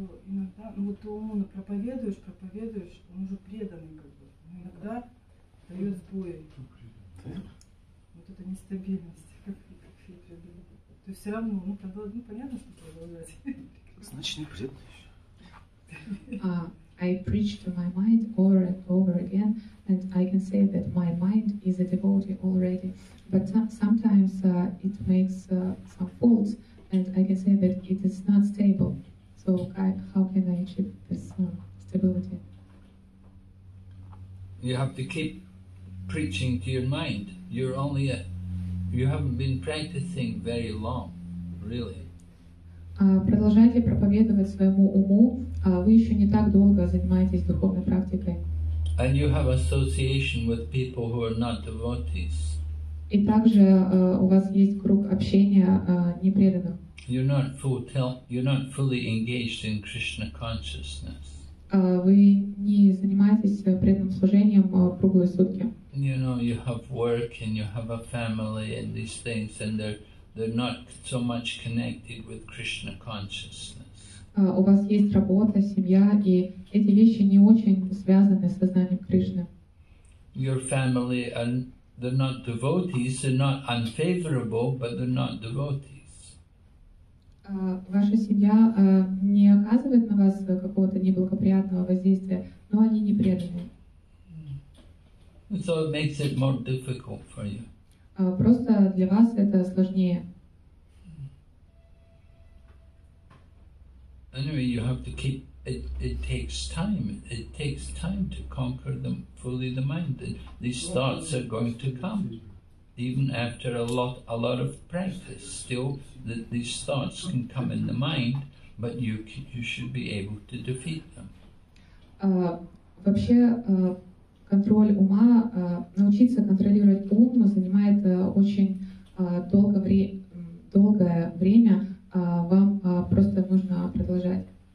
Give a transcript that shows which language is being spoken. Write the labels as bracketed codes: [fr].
[ru] Иногда, ну вот ты умно проповедуешь, он уже преданный как бы, но иногда дает сбои. Вот эта нестабильность, как я преданный. То есть все равно, ну тогда, ну понятно, что продолжать. Значит, не преданный еще. [en] I preach to my mind over and over again, and I can say that my mind is a devotee already. But sometimes it makes some faults, and I can say that it is not stable. So how can I achieve this stability? You have to keep preaching to your mind. You haven't been practicing very long, really. [ru] Продолжайте проповедовать своему уму. Вы еще не так долго занимаетесь духовной практикой. [en] And you have association with people who are not devotees. [ru] И также у вас есть круг общения непреданных. [en] You're not fully engaged in Krishna consciousness. [ru] Вы не занимаетесь преданным служением круглые сутки. [en] You know, you have work and you have a family and these things, and they're not so much connected with Krishna consciousness. [ru] У вас есть работа, семья, и эти вещи не очень связаны с сознанием Кришны. [en] Your family and they're not devotees, they're not unfavorable, but they're not devotees. [ru] Ваша семья не оказывает на вас какого-то неблагоприятного воздействия, но они не преданы. [en] So it makes it more difficult for you. [ru] Просто для вас это сложнее. [en] Anyway, you have to keep it. It takes time. It takes time to conquer them fully. The mind, these thoughts are going to come, even after a lot of practice. Still, that these thoughts can come in the mind, but you should be able to defeat them. [ru] Вообще, контроль ума, научиться контролировать ум, занимает очень долгое время. Вам просто нужно продолжать.